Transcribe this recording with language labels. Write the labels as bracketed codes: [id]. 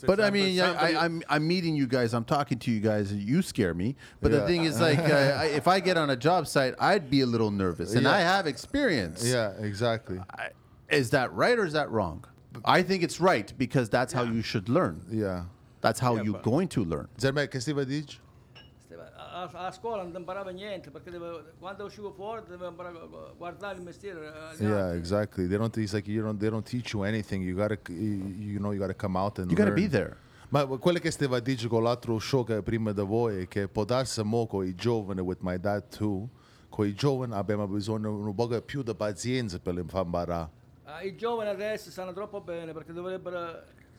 [en] But I mean, yeah, I'm meeting you guys. I'm talking to you guys. You scare me. But yeah. The thing is, like, if I get on a job site, I'd be a little nervous, and yeah. I have experience. Yeah. Exactly. Is that right or is that wrong? I think it's right because that's how you should learn. Yeah. That's how you're going to learn. [it] Zerme, che stiva dici? A scuola non imparava niente perché quando uscivo fuori dovevo guardare il mestiere. [en] Yeah, exactly. They don't they don't teach you anything. You got to you got to come out and you got to be there. [it] Ma quello che stiva dici con l'altro show che prima da voi che può darsi mo con i giovani [en] with my dad too. [it] Con i giovani abbiamo bisogno un po' più di pazienza per imparare. I giovani adesso stanno troppo bene perché dovrebbero.